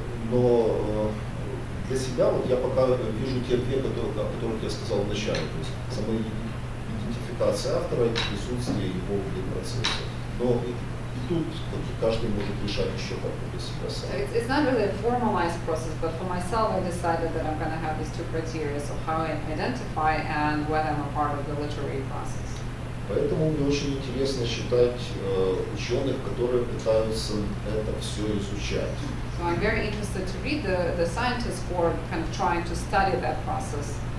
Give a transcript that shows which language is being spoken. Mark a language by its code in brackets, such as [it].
[ru] но для себя вот я пока вижу те две, о которых я сказал вначале, то есть самоидентификация автора и присутствие его в процессе. [en] It's not really a formalized process, but for myself, I decided that I'm going to have these two criteria, so how I identify and when I'm a part of the literary process. [ru] Поэтому мне очень интересно читать ученых, которые пытаются это все изучать. [en] So I'm very interested to read the scientists who are kind of trying to study that process.